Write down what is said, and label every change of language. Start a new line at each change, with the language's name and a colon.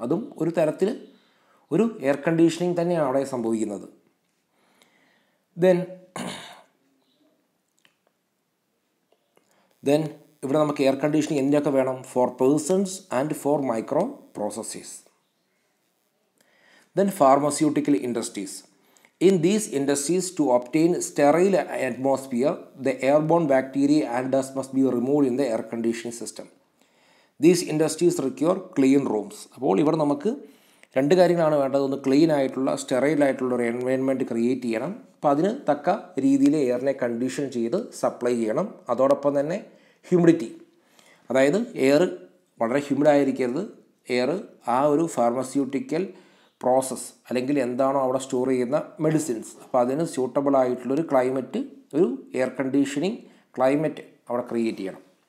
Malayalam: അതും ഒരു തരത്തിൽ ഒരു എയർ കണ്ടീഷനിങ് തന്നെയാണ് അവിടെ സംഭവിക്കുന്നത്. ദെൻ ഇവിടെ നമുക്ക് എയർ കണ്ടീഷനിങ് എന്തിനൊക്കെ വേണം,
English: For persons and for micro processes. Then pharmaceutical industries. In these industries, to obtain sterile atmosphere, the airborne bacteria and dust must be removed in the air conditioning system. These industries require clean rooms.
Malayalam: അപ്പോൾ ഇവിടെ നമുക്ക് രണ്ട് കാര്യങ്ങളാണ് വേണ്ടത്. ഒന്ന് clean ആയിട്ടുള്ള sterile ആയിട്ടുള്ള ഒരു എൻവയൺമെൻറ്റ് ക്രിയേറ്റ് ചെയ്യണം. അപ്പോൾ അതിന് തക്ക രീതിയിൽ എയറിനെ കണ്ടീഷൻ ചെയ്ത് സപ്ലൈ ചെയ്യണം. അതോടൊപ്പം തന്നെ ഹ്യൂമിഡിറ്റി, അതായത് എയർ വളരെ ഹ്യൂമിഡായിരിക്കരുത്. എയർ ആ ഒരു ഫാർമസ്യൂട്ടിക്കൽ പ്രോസസ്സ് അല്ലെങ്കിൽ എന്താണോ അവിടെ സ്റ്റോർ ചെയ്യുന്ന മെഡിസിൻസ്, അപ്പോൾ അതിന് സ്യൂട്ടബിൾ ആയിട്ടുള്ളൊരു ക്ലൈമറ്റ്, ഒരു എയർ കണ്ടീഷനിങ് ക്ലൈമറ്റ് അവിടെ ക്രിയേറ്റ് ചെയ്യണം.